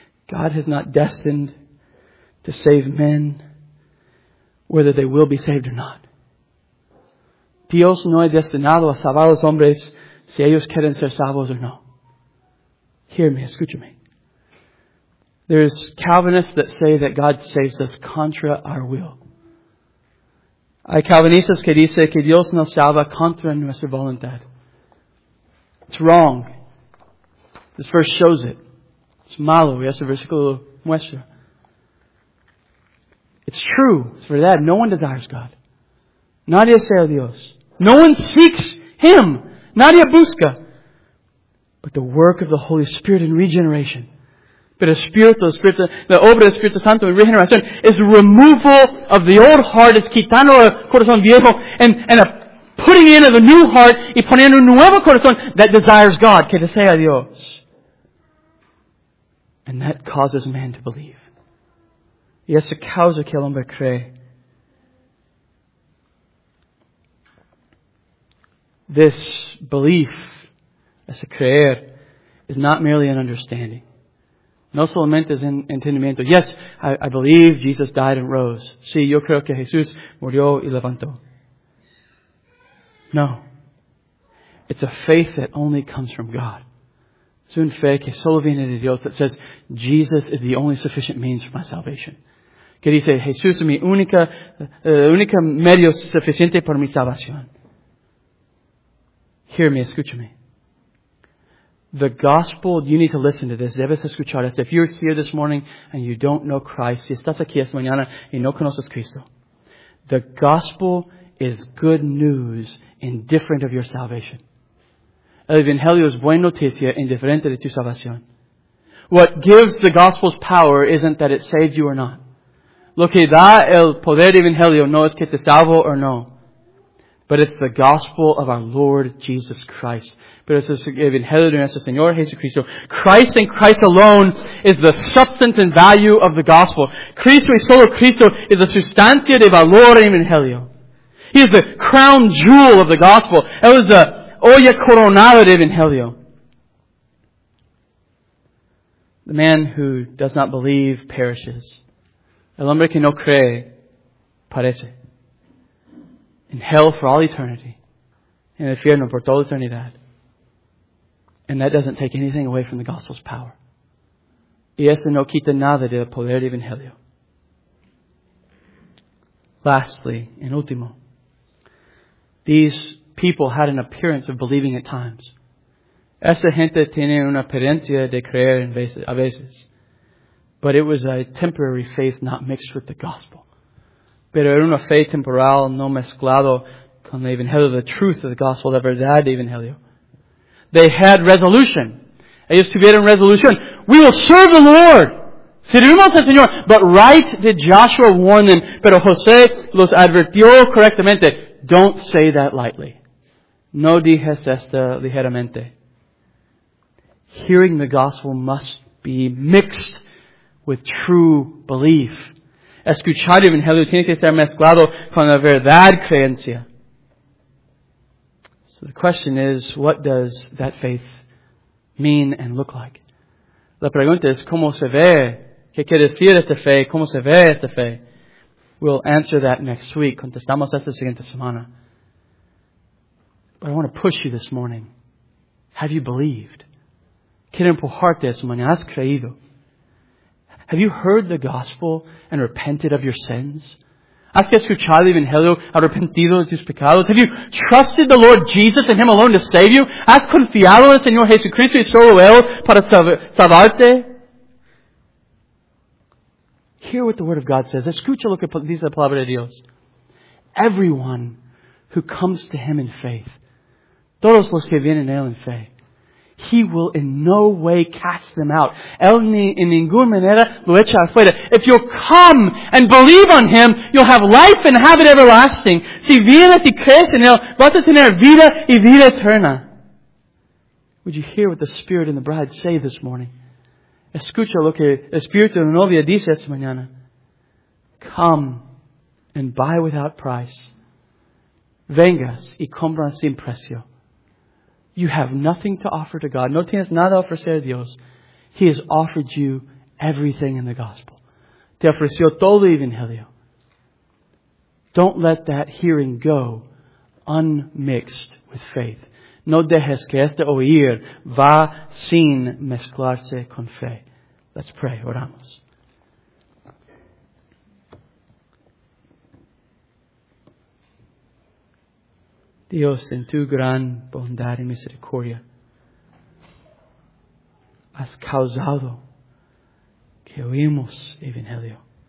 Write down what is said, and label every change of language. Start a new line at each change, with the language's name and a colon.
English: God has not destined to save men whether they will be saved or not.
Spanish: Dios no ha destinado a salvar a los hombres si ellos quieren ser salvos o no.
English: Hear me,
Spanish: escúchame.
English: There's Calvinists that say that God saves us contra our will.
Spanish: Hay Calvinistas que dicen que Dios nos salva contra nuestra voluntad.
English: It's wrong. This verse shows it. It's malo.
Spanish: Ese versículo muestra.
English: It's true. It's for that. No one desires God.
Spanish: Nadie desea Dios.
English: No one seeks Him.
Spanish: Nadie busca.
English: But the work of the Holy Spirit in regeneration.
Spanish: Pero Espíritu,
English: the
Spanish: obra del Espíritu Santo
English: in regeneration is the removal of the old heart.
Spanish: Es quitando el corazón viejo
English: and a putting in of a new heart
Spanish: y poniendo un nuevo corazón
English: that desires God.
Spanish: Que desea Dios.
English: And that causes man to believe.
Spanish: Y eso causa que el hombre cree.
English: This belief,
Spanish: ese creer,
English: is not merely an understanding.
Spanish: No solamente es entendimiento. Yes, I believe Jesus died and rose. Sí, yo creo que Jesús murió y levantó. No.
English: It's a faith that only comes from God.
Spanish: Es una fe que solo viene de Dios
English: that says, Jesus is the only sufficient means for my salvation.
Spanish: Que dice, Jesús es mi única, única medio suficiente para mi salvación.
English: Hear me,
Spanish: escúchame.
English: The gospel, you need to listen to this.
Spanish: Debes escuchar esto.
English: If you're here this morning and you don't know Christ,
Spanish: si estás aquí esta mañana y no conoces Cristo,
English: the gospel is good news indifferent of your salvation.
Spanish: El Evangelio es buena noticia indiferente de tu salvación.
English: What gives the gospel's power isn't that it saved you or not.
Spanish: Lo que da el poder del Evangelio no es que te salvo o no.
English: But it's the gospel of our Lord Jesus Christ.
Spanish: Pero es el Evangelio de nuestro Señor Jesucristo.
English: Christ and Christ alone is the substance and value of the gospel.
Spanish: Cristo y solo Cristo
English: is the
Spanish: sustancia de valor del Evangelio.
English: He is the crown jewel of the gospel.
Spanish: Él es la olla coronada del Evangelio.
English: The man who does not believe perishes.
Spanish: El hombre que no cree, parece.
English: In hell for all eternity.
Spanish: En el infierno por toda eternidad.
English: And that doesn't take anything away from the gospel's power.
Spanish: Y eso no quita nada del poder del Evangelio.
English: Lastly,
Spanish: en último.
English: These people had an appearance of believing at times.
Spanish: Esta gente tiene una apariencia de creer a veces.
English: But it was a temporary faith not mixed with the gospel.
Spanish: Pero era una fe temporal no mezclado con el Evangelio,
English: the truth of the gospel,
Spanish: la verdad del Evangelio.
English: They had resolution.
Spanish: Ellos tuvieron resolution.
English: We will serve the Lord.
Spanish: Servimos al Señor.
English: But right did Joshua warn them.
Spanish: Pero José los advirtió correctamente.
English: Don't say that lightly.
Spanish: No dijes esto ligeramente.
English: Hearing the gospel must be mixed with true belief.
Spanish: Escuchar el Evangelio tiene que ser mezclado con la verdad creencia.
English: So the question is, what does that faith mean and look like?
Spanish: La pregunta es, ¿cómo se ve? ¿Qué quiere decir esta fe? ¿Cómo se ve esta fe?
English: We'll answer that next week.
Spanish: Contestamos esta siguiente semana.
English: But I want to push you this morning. Have you believed?
Spanish: ¿Quieres empujarte esta mañana? ¿Has creído?
English: Have you heard the gospel and repented of your sins?
Spanish: ¿Has escuchado el Evangelio, arrepentido de tus pecados?
English: Have you trusted the Lord Jesus and Him alone to save you?
Spanish: ¿Has confiado en el Señor Jesucristo y solo Él para salvarte?
English: Hear what the Word of God says.
Spanish: Escucha lo que dice la Palabra de Dios.
English: Everyone who comes to Him in faith,
Spanish: todos los que vienen a Él en fe,
English: He will in no way cast them out.
Spanish: Él ni en ninguna manera lo echa afuera.
English: If you'll come and believe on Him, you'll have life and have it everlasting.
Spanish: Si vienes y crees en Él, vas a tener vida y vida eterna.
English: Would you hear what the Spirit and the Bride say this morning?
Spanish: Escucha lo que el Espíritu de la Novia dice esta mañana.
English: Come and buy without price.
Spanish: Vengas y compra sin precio.
English: You have nothing to offer to God.
Spanish: No tienes nada a ofrecer a Dios.
English: He has offered you everything in the gospel.
Spanish: Te ofreció todo el evangelio.
English: Don't let that hearing go unmixed with faith.
Spanish: No dejes que este oír va sin mezclarse con fe.
English: Let's pray.
Spanish: Oramos. Dios, en tu gran bondad y misericordia, has causado que oímos el Evangelio.